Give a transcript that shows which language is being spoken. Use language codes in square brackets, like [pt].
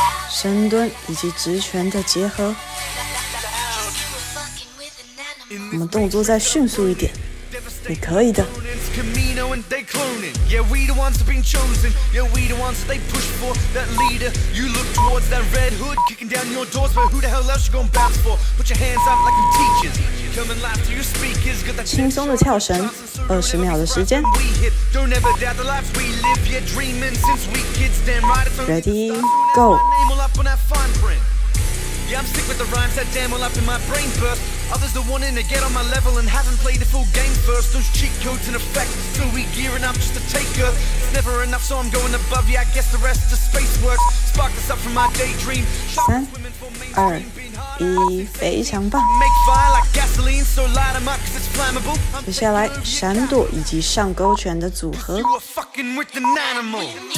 [zh] 深蹲以及直拳的结合。我们动作再迅速一点，你可以的。 [en] Camino and they cloning. Yeah, we the ones that been chosen. Yeah, we the ones that they push for. That leader, you look towards that red hood kicking down your doors. But who the hell else you gonna bounce for? Put your hands up like you teaching. Coming live to your speakers. Got that [zh] 轻松的跳绳，20秒的时间。 [en] Don't ever doubt the life we live. Yeah, dreaming since we kids. Damn right. Ready, go. Name all up on that fine print. Yeah, I'm sick with the rhymes that damn all up in my brain burst. Others are wanting to get on my level and haven't played the full game first. Those cheat codes in effect, still we gearing up just to take her. It's never enough, so I'm going above you. I guess the rest is space work. Spark this up from my daydream. 3, 2, 1, [zh] 非常棒。 [en] Make fire like gasoline, so light 'em up 'cause it's flammable. [zh] 接下来，闪躲以及上勾拳的组合。 [en] You are fucking with an animal.